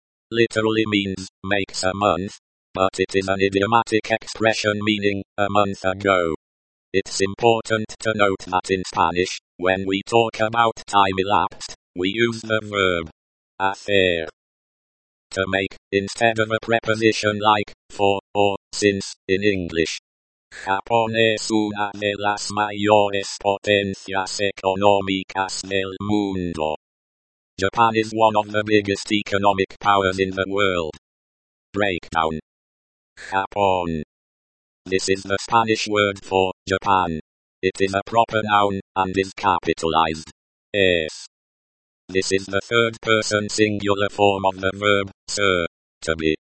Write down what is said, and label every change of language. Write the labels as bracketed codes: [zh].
[en] Literally means, makes a month, but it is an idiomatic expression meaning, a month ago. It's important to note that in Spanish, when we talk about time elapsed, we use the verb hacer to make, instead of a preposition like for or since in English. [es] Japón es una de las mayores potencias económicas del mundo. [en] Japan is one of the biggest economic powers in the world. Breakdown. Japón. This is the Spanish word for Japan. It is a proper noun, and is capitalized. S. This is the third person singular form of the verb, sir, to be.